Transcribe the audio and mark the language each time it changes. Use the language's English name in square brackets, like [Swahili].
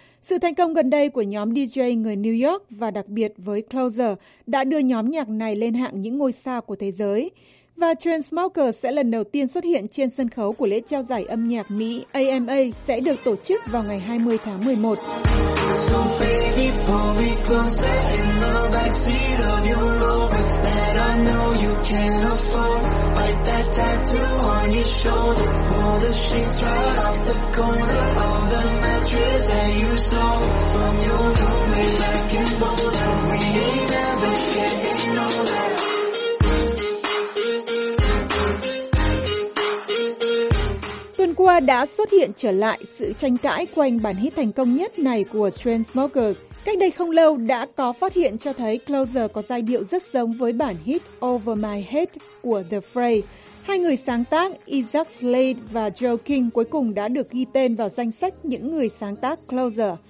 [Vietnamese] Sự thành công gần đây của nhóm DJ người New York và đặc biệt với Closer đã đưa nhóm nhạc này lên hạng những ngôi sao của thế giới. Và Chainsmokers sẽ lần đầu tiên xuất hiện trên sân khấu của lễ trao giải âm nhạc Mỹ AMA sẽ được tổ chức vào ngày 20 tháng 11. [English] So baby, pull me closer in the backseat of your Rover that I know you can't afford. Bite that tattoo on your shoulder. Pull the sheets right off the corner of the mattress that you stole from your roommate back in Boulder. We ain't never getting older. [Vietnamese] Qua đã xuất hiện trở lại sự tranh cãi quanh bản hit thành công nhất này của Chainsmokers. Cách đây không lâu đã có phát hiện cho thấy Closer có giai điệu rất giống với bản hit Over My Head của The Fray. Hai người sáng tác Isaac Slade và Joe King cuối cùng đã được ghi tên vào danh sách những người sáng tác Closer.